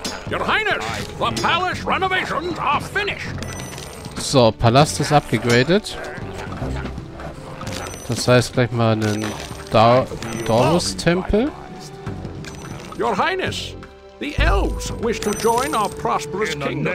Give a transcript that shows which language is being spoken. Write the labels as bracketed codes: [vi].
[en] Your Highness, the palace renovations are finished. [de] So, Palast ist abgegradet. Das heißt gleich mal einen Dorus-Tempel. [en] Your Highness, The elves wish to join our prosperous kingdom.